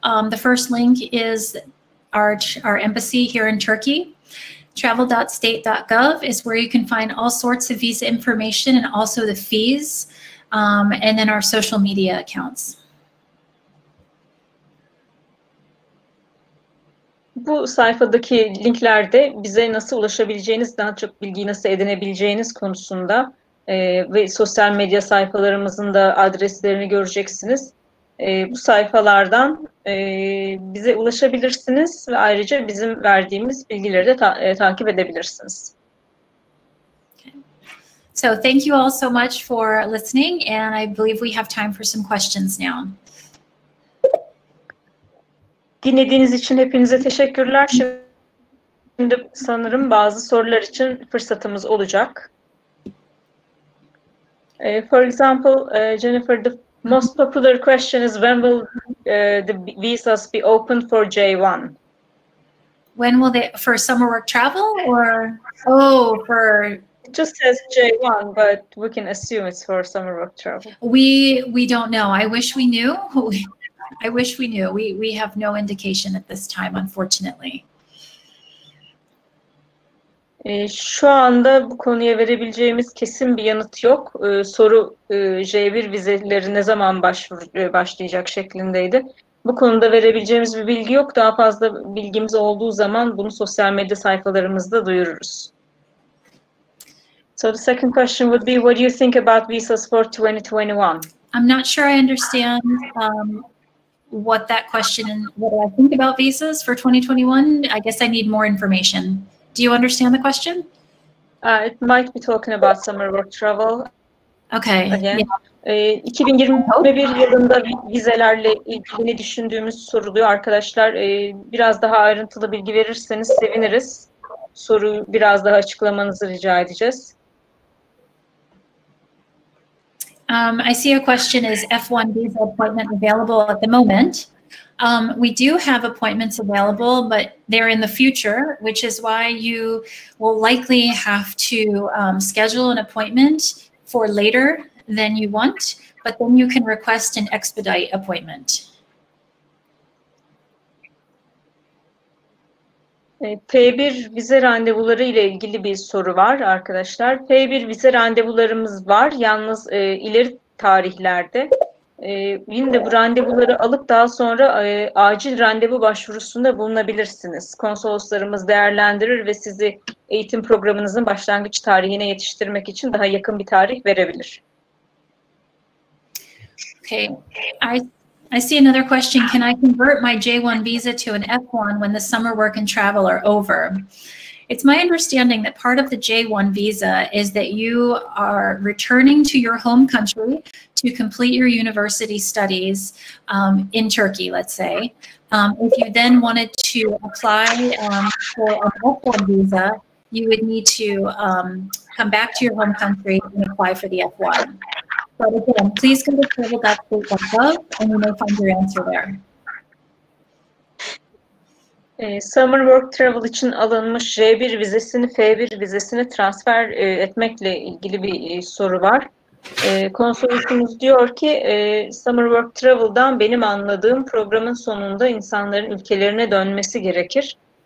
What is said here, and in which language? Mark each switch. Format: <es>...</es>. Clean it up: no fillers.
<en>The first link is our embassy here in Turkey. Travel.state.gov is where you can find all sorts of visa information and also the fees, and then our social media accounts.</en> <tr>Bu sayfadaki linklerde bize nasıl ulaşabileceğiniz, daha çok bilgiyi nasıl edinebileceğiniz konusunda ve sosyal medya sayfalarımızın da adreslerini göreceksiniz. Bu sayfalardan bize ulaşabilirsiniz ve ayrıca bizim verdiğimiz bilgileri de takip edebilirsiniz.</tr> <en>Okay. So thank you all so much for listening and I believe we have time for some questions now.</en> <tr>Dinlediğiniz için hepinize teşekkürler. Şimdi sanırım bazı sorular için fırsatımız olacak.</tr> <en>For example, Jennifer, the most popular question is when will the visas be open for J1? When will they, for summer work travel or? Oh, for. It just says J1, but we can assume it's for summer work travel. We don't know. I wish we knew. I wish we knew. We have no indication at this time, unfortunately.</en> <tr>Şu anda bu konuya verebileceğimiz kesin bir yanıt yok. Soru J1 vizeleri ne zaman başlayacak şeklindeydi. Bu konuda verebileceğimiz bir bilgi yok. Daha fazla bilgimiz olduğu zaman bunu sosyal medya sayfalarımızda duyururuz.</tr> <en>So the second question would be, what do you think about visas for 2021? I'm not sure I understand what that question, what I think about visas for 2021. I guess I need more information. Do you understand the question? It might be talking about summer work travel. Okay. Again. Yeah.</en> <tr>2021 yılında vizelerle ilgili ne düşündüğümüz soruluyor arkadaşlar. Biraz daha ayrıntılı bilgi verirseniz seviniriz. Soruyu biraz daha açıklamanızı rica edeceğiz.</tr> <en>I see a question, is F1 visa appointment available at the moment? We do have appointments available, but they're in the future, which is why you will likely have to schedule an appointment for later than you want, but then you can request an expedite appointment.</en> <tr>P1 vize randevuları ile ilgili bir soru var arkadaşlar. P1 vize randevularımız var, yalnız ileri tarihlerde. Yine bu randevuları alıp daha sonra acil randevu başvurusunda bulunabilirsiniz. Konsoloslarımız değerlendirir ve sizi eğitim programınızın başlangıç tarihine yetiştirmek için daha yakın bir tarih verebilir.</tr> <en>Okay. I see another question. Can I convert my J1 visa to an F1 when the summer work and travel are over? It's my understanding that part of the J1 visa is that you are returning to your home country to complete your university studies in Turkey, let's say. If you then wanted to apply for a F1 visa, you would need to come back to your home country and apply for the F1. But again, please go to travel.state.gov and you may find your answer there.</en> <tr>Summer work travel için alınmış J1 vizesini F1 vizesine transfer etmekle ilgili bir soru var. Konsolosumuz diyor ki summer work travel'dan benim anladığım programın sonunda insanların ülkelerine dönmesi gerekir.</tr>